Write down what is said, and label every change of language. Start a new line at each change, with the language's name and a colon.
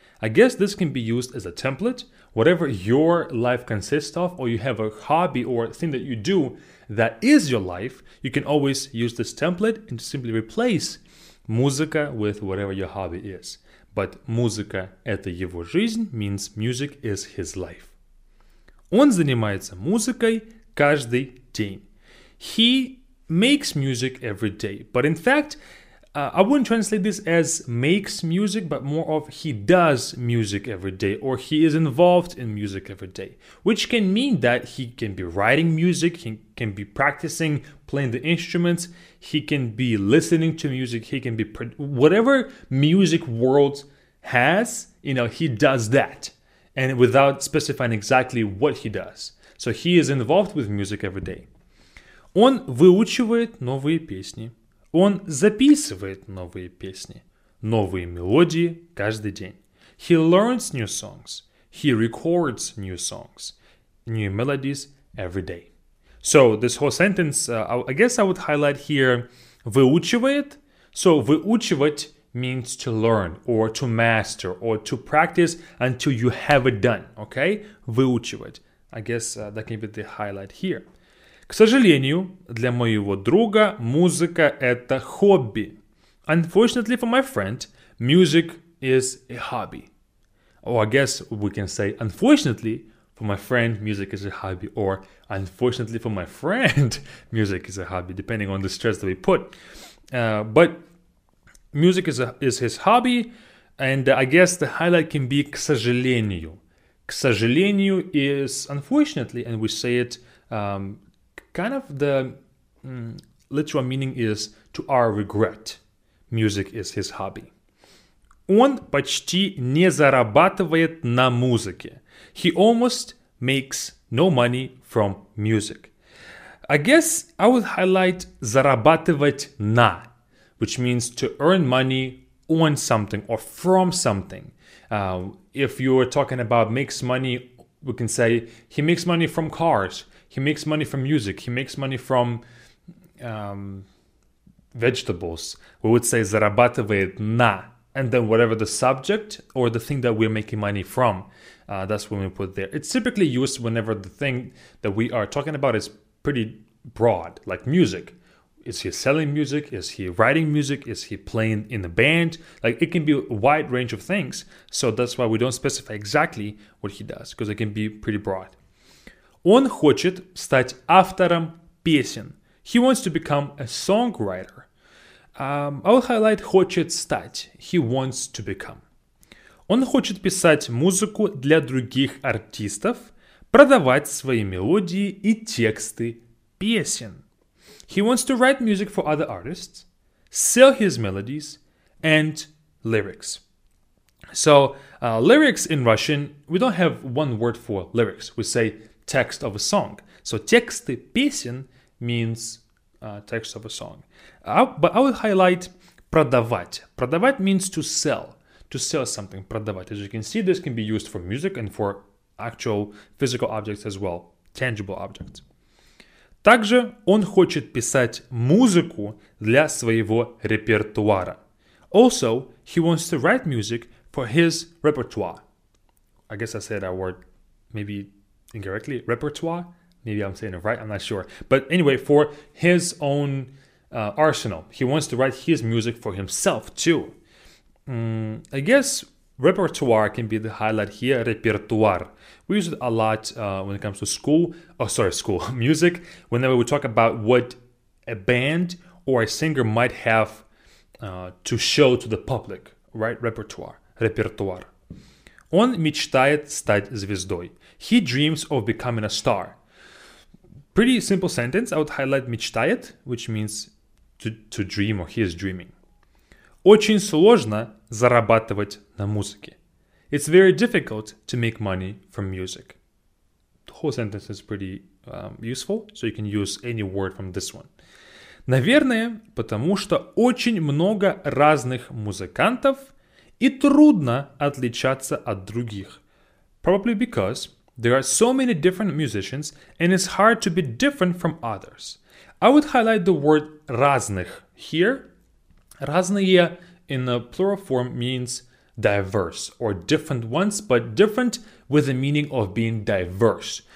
English: I guess this can be used as a template. Whatever your life consists of, or you have a hobby or a thing that you do that is your life, you can always use this template and simply replace музыка with whatever your hobby is. But
Russian: музыка – это его жизнь
English: means music is his life.
Russian: Он занимается музыкой каждый день.
English: He makes music every day. But in fact, I wouldn't translate this as makes music, but more of he does music every day, or he is involved in music every day, which can mean that he can be writing music, he can be practicing, playing the instruments, he can be listening to music, he can be whatever music world has, you know, he does that, and without specifying exactly what he does. So he is involved with music every day.
Russian: Он выучивает новые песни. Он записывает новые песни, новые мелодии каждый день.
English: He learns new songs. He records new songs, new melodies every day. So this whole sentence, I guess I would highlight here, выучивает. So выучивать means to learn or to master or to practice until you have it done. Okay? Выучивать. I guess that can be the highlight here.
Russian: К сожалению, для моего друга музыка – это хобби.
English: Unfortunately for my friend, music is a hobby. Or I guess we can say, unfortunately for my friend, music is a hobby. Or unfortunately for my friend, music is a hobby, depending on the stress that we put. But music is his hobby. And I guess the highlight can be
Russian: к сожалению. К сожалению
English: is unfortunately, and we say it... kind of the literal meaning is to our regret. Music is his hobby.
Russian: Он почти не зарабатывает на музыке.
English: He almost makes no money from music. I guess I would highlight
Russian: зарабатывать на,
English: which means to earn money on something or from something. If you're talking about makes money, we can say he makes money from cars. He makes money from music. He makes money from vegetables. We would say
Russian: зарабатывает на.
English: And then whatever the subject or the thing that we're making money from, that's what we put there. It's typically used whenever the thing that we are talking about is pretty broad, like music. Is he selling music? Is he writing music? Is he playing in a band? Like, it can be a wide range of things. So that's why we don't specify exactly what he does, because it can be pretty broad.
Russian: Он хочет стать автором песен.
English: He wants to become a songwriter. I'll highlight
Russian: хочет стать.
English: He wants to become.
Russian: Он хочет писать музыку для других артистов, продавать свои мелодии и тексты песен.
English: He wants to write music for other artists, sell his melodies and lyrics. So, lyrics in Russian, we don't have one word for lyrics. We say text of a song. So
Russian: тексты песен
English: means text of a song. But I would highlight продавать. Продавать means to sell. To sell something. Продавать. As you can see, this can be used for music and for actual physical objects as well. Tangible objects.
Russian: Также он хочет писать музыку для своего репертуара.
English: Also, he wants to write music for his repertoire. I guess I said that word maybe incorrectly, repertoire, maybe I'm saying it right, I'm not sure. But anyway, for his own arsenal, he wants to write his music for himself too. I guess repertoire can be the highlight here, repertoire. We use it a lot when it comes to music, whenever we talk about what a band or a singer might have to show to the public, right? Repertoire, repertoire.
Russian: Он мечтает стать звездой.
English: He dreams of becoming a star. Pretty simple sentence. I would highlight мечтает, which means to dream, or he is dreaming.
Russian: Очень сложно зарабатывать на музыке.
English: It's very difficult to make money from music. The whole sentence is pretty useful, so you can use any word from this one.
Russian: Наверное, потому что очень много разных музыкантов и трудно отличаться от других.
English: Probably because there are so many different musicians and it's hard to be different from others. I would highlight the word разных here. Разные in the plural form means diverse or different ones, but different with the meaning of being diverse.